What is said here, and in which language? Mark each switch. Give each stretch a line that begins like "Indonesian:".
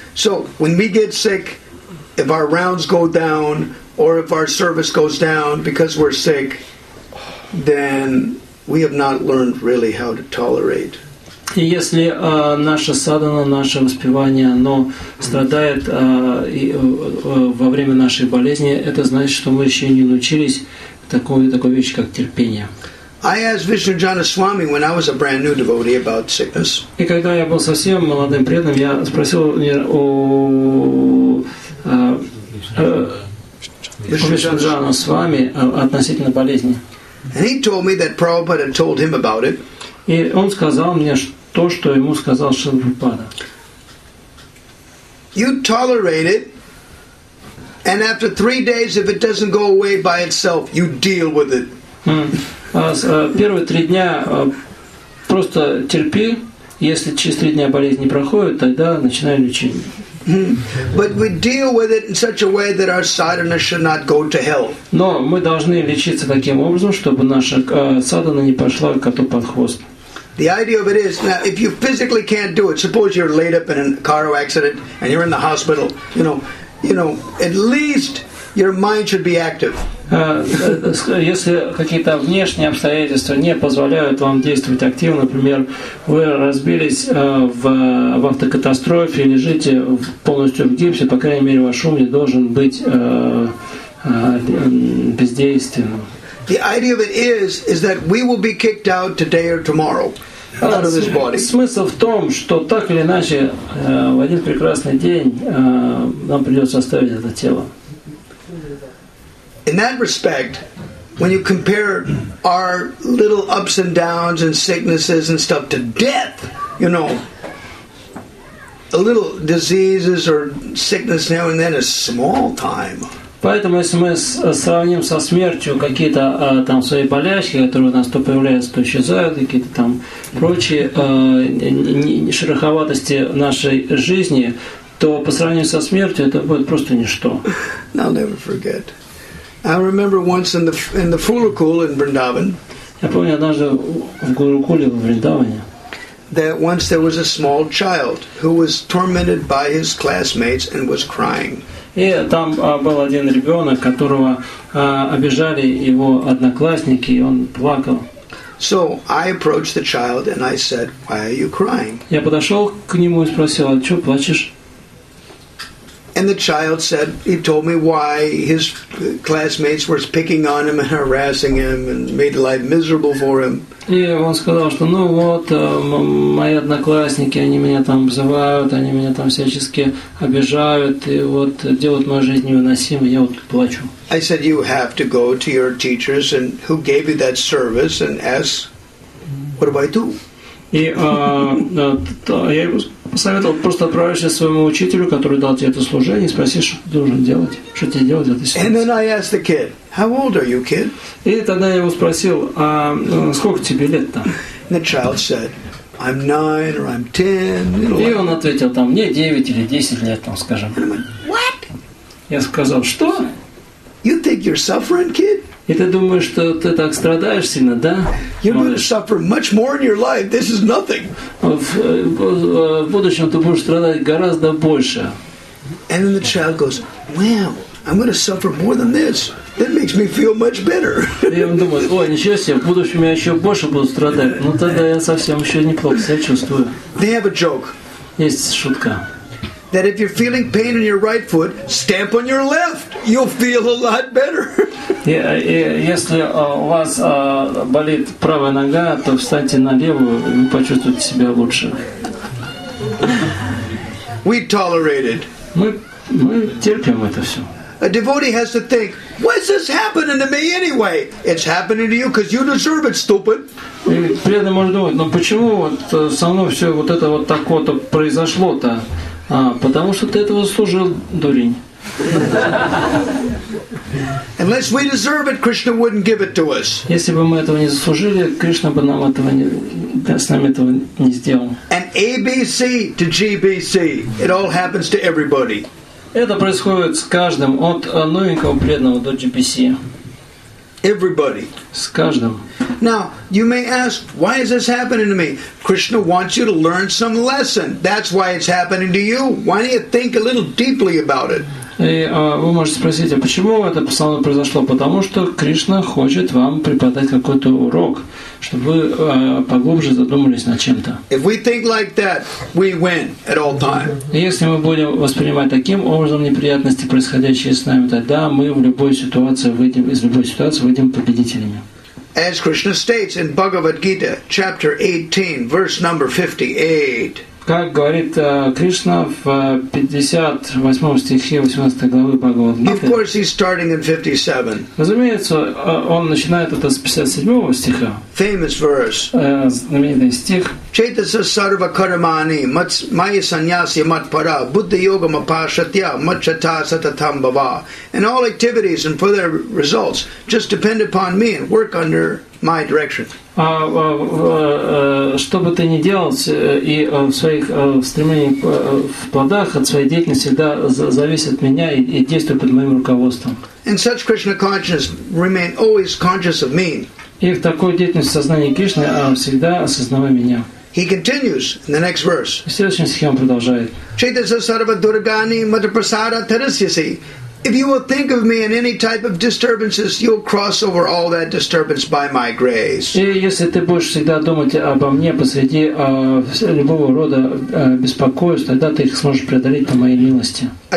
English: So when we get sick, if our rounds go down or if our service goes down because we're sick, then we have not learned really how to tolerate.
Russian: И если наша садхана, наше воспевание, оно страдает во время нашей болезни, это значит, что мы еще не научились такой вещи, как терпение.
English: I asked Vishnujana Swami when I was a brand new devotee about sickness.
Russian: И когда я был совсем молодым преданным, я спросил у Vishnujana Swami относительно болезни.
English: And he told me that Prabhupada had told him about it.
Russian: И он сказал мне, то, что ему сказал Шрила Прабхупада.
English: You tolerate it, and after 3 days, if it doesn't go away by itself, you deal with it.
Russian: Первые три дня просто терпи. Если через три дня болезнь не проходит, тогда начинай лечение.
English: But we deal with it in such a way that our sadhana should not go to hell.
Russian: Но мы должны лечиться таким образом, чтобы наша садхана не пошла коту под хвост.
English: The idea of it is, now, if you physically can't do it, suppose you're laid up in a car accident and you're in the hospital, you know, at least your mind should be active.
Russian: Если какие-то внешние обстоятельства не позволяют вам действовать активно, например, вы разбились в автокатастрофе, лежите полностью в гипсе, по крайней мере, ваш ум не должен быть бездейственным.
English: The idea of it is that we will be kicked out today or tomorrow out of this body.
Russian: Смысл в том, что так или иначе в один прекрасный день нам придется оставить это тело.
English: In that respect, when you compare our little ups and downs and sicknesses and stuff to death, you know, a little diseases or sickness now and then is small time.
Russian: Поэтому, если мы сравним со смертью какие-то там свои болячки, которые у нас то появляются, то исчезают, какие-то там прочие шероховатости нашей жизни, то по сравнению со смертью это будет просто ничто.
English: I'll never forget. I remember once in the Fulukul in Vrindavan.
Russian: Я помню однажды в Гурукуле в Вриндаване.
English: That once there was a small child who was tormented by his classmates and was crying.
Russian: И там был один ребенок, которого обижали его одноклассники, и он плакал.
English: So I approached the child and I said, "Why are you crying?"
Russian: Я подошел к нему и спросил: "А чего плачешь?"
English: And the child said, he told me why his classmates were picking on him and harassing him and made life miserable for him.
Russian: И он сказал, что, ну вот, мои одноклассники, они меня там обзывают, они меня там всячески обижают, и вот делают мою жизнь невыносимой, я вот плачу.
English: I said, you have to go to your teachers and who gave you that service and ask, what do I do?
Russian: И я ему посоветовал, просто отправишься к своему учителю, который дал тебе это служение, и спроси, что ты должен делать, что тебе делать в этой ситуации.
English: And then I asked the kid, how old are you, kid?
Russian: И тогда я его спросил, а сколько тебе лет-то?
English: The child said, I'm 9 or I'm 10.
Russian: И он ответил, там, мне 9 или 10 лет, там, скажем.
English: And I went, what?
Russian: Я сказал, что?
English: You think you're suffering, kid?
Russian: И ты думаешь, что ты так страдаешь сильно, да?
English: You're going to suffer much more in your life. This is nothing.
Russian: В будущем ты будешь страдать гораздо больше.
English: And then the child goes, "Wow, I'm going to suffer more than this. That makes me feel much better."
Russian: И он думает, ой, ничего себе, в будущем я еще больше буду страдать. Ну тогда я совсем еще неплохо себя чувствую.
English: They have a joke.
Russian: Есть шутка.
English: That if you're feeling pain in your right foot, stamp on your left. You'll feel a lot better.
Russian: Если у вас болит правая нога, то встаньте на левую, и вы почувствуете себя лучше.
English: We tolerate it.
Russian: Мы терпим это все.
English: A devotee has to think, what's this happening to me anyway? It's happening to you because you deserve it, stupid.
Russian: И преданный может думать, ну почему вот со мной все вот это вот так вот произошло-то? Потому что ты этого заслужил, дурень.
English: Unless we deserve it, Krishna wouldn't give it to us.
Russian: Если бы мы этого не заслужили, Кришна бы нам этого не, с нами этого не сделал.
English: And ABC to GBC, it all happens to everybody.
Russian: Это происходит с каждым, от новенького преданного до GBC.
English: Everybody.
Russian: С каждым.
English: Now, you may ask, why is this happening to me? Krishna wants you to learn some lesson. That's why it's happening to you. Why don't you think a little deeply about it?
Russian: И вы можете спросить, а почему это со мной произошло? Потому что Кришна хочет вам преподать какой-то урок, чтобы вы поглубже задумались над чем-то.
English: If we think like that, we win at all time.
Russian: Если мы будем воспринимать таким образом неприятности, происходящие с нами, тогда мы в любой ситуации выйдем, из любой ситуации выйдем победителями.
English: As Krishna states in Bhagavad Gita, chapter 18, verse number 58.
Russian: Как говорит Кришна в 58 стихе 18 главы Бхагавад-гиты.
English: Of course, he's starting in 57.
Russian: Разумеется, он начинает это с 57 стиха.
English: Famous verse.
Russian: Знаменитый стих.
Sanskrit: Чайтаса сарва кармани майя саньяси матпара будда йогама пашатья матчата сататам бава.
English: And all activities and for their results just depend upon me and work under my direction.
Russian: Что бы ты ни делал, и в своих стремлениях в плодах от своей деятельности всегда зависит от меня и действует под моим руководством.
English: And such Krishna consciousness remain always conscious of me.
Russian: И в такой деятельности сознание Кришны всегда осознавая меня.
English: He continues in the next verse.
Russian: В следующем стихе он продолжает.
Sanskrit: Чайтаса сарва дургани матапрасада тарасиси.
English: If you will think of me in any type of disturbances, you'll cross over all that disturbance by my grace.
Russian: И если ты будешь всегда думать обо мне посреди любого рода беспокойств, тогда ты их сможешь преодолеть по моей милости.